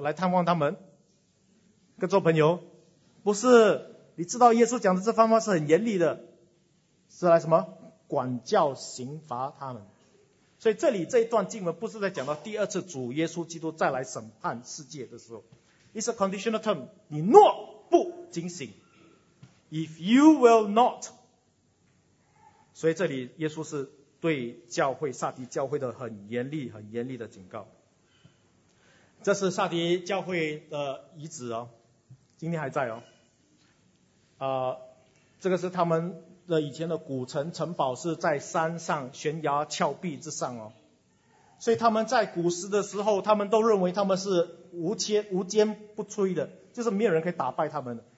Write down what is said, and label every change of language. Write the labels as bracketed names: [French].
[Chinese] 来探望他们跟做朋友？不是。你知道耶稣讲的这方法是很严厉的，是来什么？管教刑罚他们。所以这里这一段经文不是在讲到第二次主耶稣基督再来审判世界的时候。 [English] It's a conditional term， [Chinese] 你若不警醒， [English] If you will not。 [Chinese] 所以这里耶稣是对教会撒迪教会的很严厉很严厉的警告。这是撒迪教会的遗址哦，今天还在哦。这个是他们的以前的古城城堡，是在山上悬崖峭壁之上哦，所以他们在古时的时候，他们都认为他们是无坚不摧的，就是没有人可以打败他们的。